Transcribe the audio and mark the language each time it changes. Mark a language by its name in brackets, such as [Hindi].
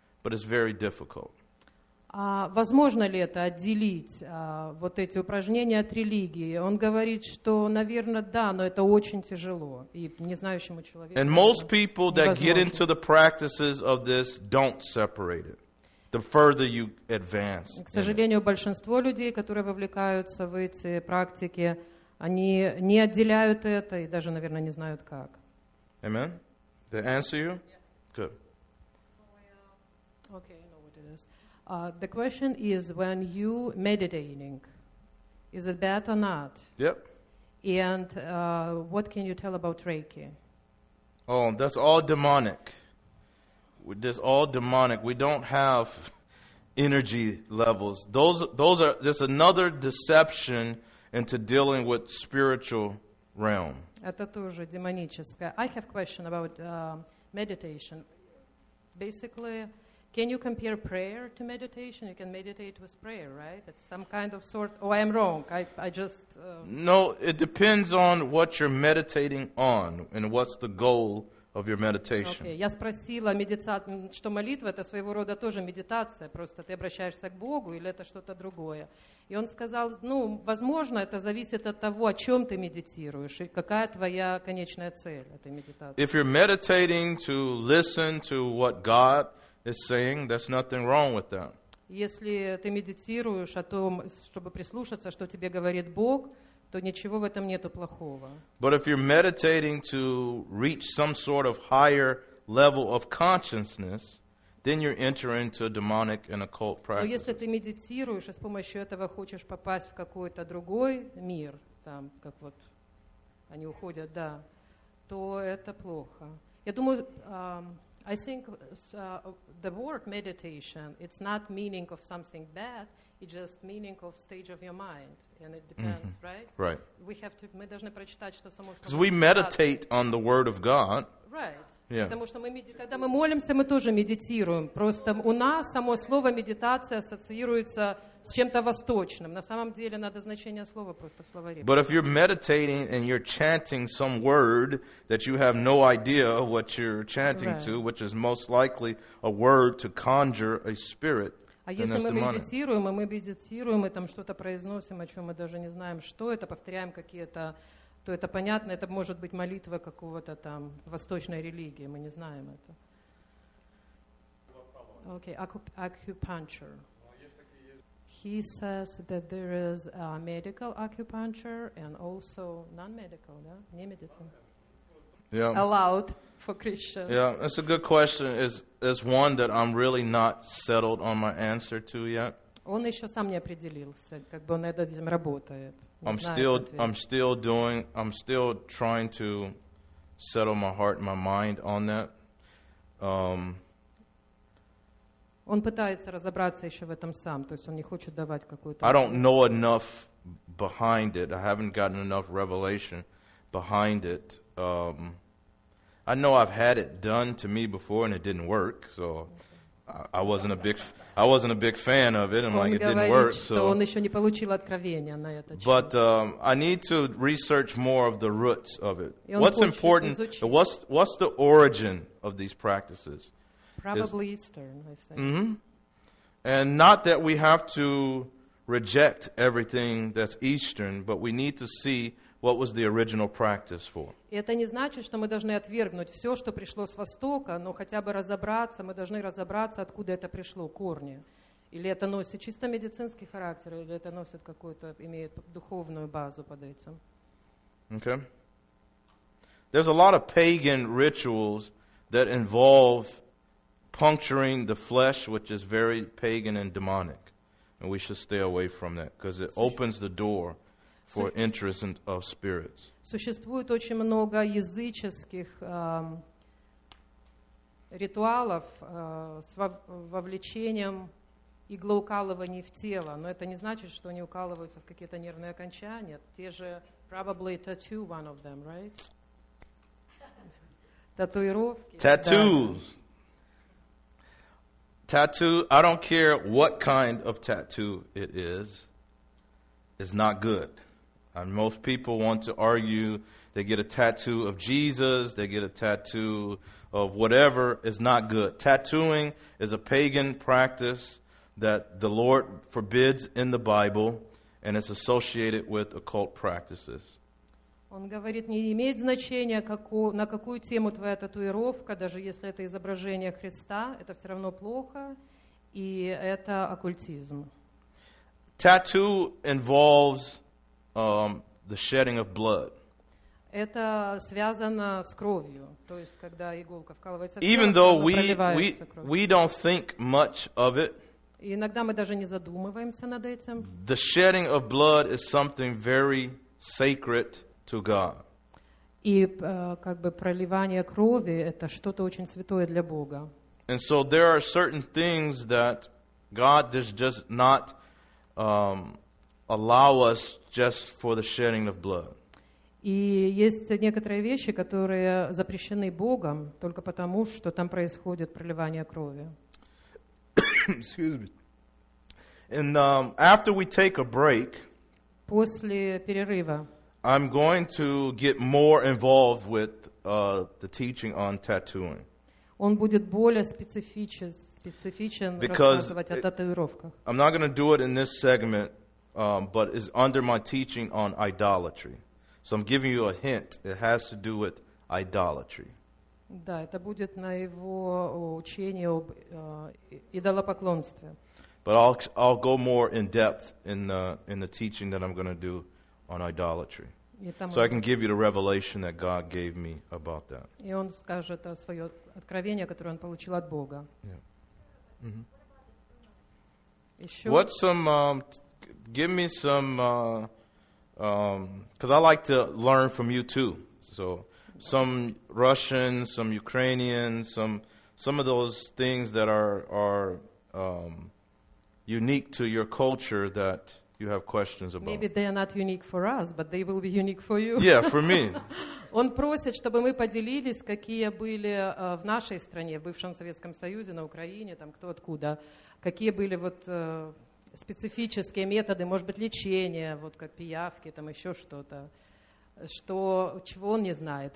[English] But it's very difficult. [Russian] Возможно ли это отделить вот эти упражнения от религии? Он говорит, что, наверное, да, но это очень тяжело и незнающему человеку. [English] And most people that get into the practices of this don't separate it. The further you advance. [Russian] К сожалению, большинство людей, которые вовлекаются в эти практики, они не отделяют это и даже, наверное, не знают как. [English] Amen? Did that answer you? Yeah. Good. Okay, I know what it is. The question is, when you meditating, is it bad or not? Yep. And what can you tell about Reiki? Oh, that's all demonic. That's all demonic. We don't have energy levels. Those are just another deception into dealing with spiritual realm. [Russian] Это тоже демоническое. [English] I have a question about meditation. Basically, can you compare prayer to meditation? You can meditate with prayer, right? It's some kind of sort. Oh, I'm wrong. No, it depends on what you're meditating on and what's the goal of your meditation. [Russian] Okay, я спросила, что молитва это своего рода тоже медитация, просто ты обращаешься к Богу или это что-то другое. И он сказал, возможно, это зависит от того, о чем ты медитируешь и какая твоя конечная цель этой медитации. [English] If you're meditating to listen to what God is saying, there's nothing wrong with that. [Russian] Если ты медитируешь о том, чтобы прислушаться, что тебе говорит Бог, то ничего в этом нету плохого. [English] But if you're meditating to reach some sort of higher level of consciousness, then you're entering into a demonic and occult practice. [Russian] Но если ты медитируешь и с помощью этого хочешь попасть в какой-то другой мир, там, как вот они уходят, да, то это плохо. Я думаю, [English] I think the word meditation, it's not meaning of something bad. It's just meaning of stage of your mind, and it depends, right? Right. We have to. [Russian] Мы должны прочитать, что само. [English] Because we meditate on the word of God. Right. Yeah. [Russian] Потому что мы когда мы молимся, мы тоже медитируем. Просто у нас само слово медитация ассоциируется с чем-то восточным. На самом деле надо значение слова просто в словаре. [English] But if you're meditating and you're chanting some word that you have no idea what you're chanting to, which is most likely a word to conjure a spirit. [Russian] А если мы медитируем, и мы медитируем, и там что-то произносим, о чем мы даже не знаем, что это, повторяем какие-то, то это понятно, это может быть молитва какого-то там восточной религии, мы не знаем это. [English] Okay, acupuncture. He says that there is a medical acupuncture and also non-medical, [Russian] да? Не медицин. [English] Yeah. Allowed. For Christian. Yeah, that's a good question. It's one that I'm really not settled on my answer to yet. [Russian] Он еще сам не определился, как бы он над этим работает. [English] I'm still trying to settle my heart and my mind on that. [Russian] Он пытается разобраться еще в этом сам, то есть он не хочет давать какой-то. [English] I don't know enough behind it. I haven't gotten enough revelation behind it. I know I've had it done to me before and it didn't work, so I wasn't a big fan of it. I'm like, it didn't work. So, [Russian] он еще не получил откровения на этот счет. [English] But I need to research more of the roots of it. What's important? What's the origin of these practices? Probably Eastern, I think. Mm-hmm. And not that we have to reject everything that's Eastern, but we need to see what was the original practice for? [Russian] Это не значит, что мы должны отвергнуть все, что пришло с Востока, но хотя бы разобраться, мы должны разобраться, откуда это пришло, корни. Или это носит чисто медицинский характер, или это носит какую-то, имеет духовную базу под этим. [English] Okay. There's a lot of pagan rituals that involve puncturing the flesh, which is very pagan and demonic. And we should stay away from that, because it opens the door for interest in, of spirits. [Russian] Существует очень много языческих ритуалов с вовлечением иглоукалываний в тело, но это не значит, что они укалываются в какие-то нервные окончания. Те же [English] probably tattoo one of them, right? [Russian] Татуировки. [English] Tattoos. [Russian] Да. [English] Tattoo, I don't care what kind of tattoo it is. It's not good. And most people want to argue, they get a tattoo of Jesus, they get a tattoo of whatever, is not good. Tattooing is a pagan practice that the Lord forbids in the Bible, and it's associated with occult practices. [Russian] Он говорит, не имеет значения, на какую тему твоя татуировка, даже если это изображение Христа, это все равно плохо, и это оккультизм. [English] Tattoo involves the shedding of blood. [Russian] Это связано с кровью, то есть когда иголка вкалывается. [English] Even though we don't think much of it. [Russian] Иногда мы даже не задумываемся над этим. [English] The shedding of blood is something very sacred to God. [Russian] И как бы проливание крови это что-то очень святое для Бога. [English] And so there are certain things that God does just not allow us just for the shedding of blood. [Russian] И есть некоторые вещи, которые запрещены Богом только потому, что там происходит проливание крови. [English] Excuse me. And after we take a break, [Russian] после перерыва, [English] I'm going to get more involved with the teaching on tattooing. [Russian] Он будет более специфичен рассказывать о татуировках. [English] I'm not going to do it in this segment, but it's under my teaching on idolatry. So I'm giving you a hint. It has to do with idolatry. [Russian] Да, это будет на его учении об идолопоклонстве. [English] But I'll go more in depth in the teaching that I'm going to do on idolatry. So I can give you the revelation that God gave me about that. [Russian] И он скажет о свое откровение, которое он получил от Бога. [English] What's some? Give me some. Because I like to learn from you too. So some Russian, some Ukrainian, some of those things that are unique to your culture that you have questions about. Maybe they are not unique for us, but they will be unique for you. Yeah, for me. [Russian] Он просит, чтобы мы поделились, какие были в нашей стране, в бывшем Советском Союзе, на Украине, там кто откуда, какие были вот специфические методы, может быть, лечения, вот как пиявки, там еще что-то, чего он не знает.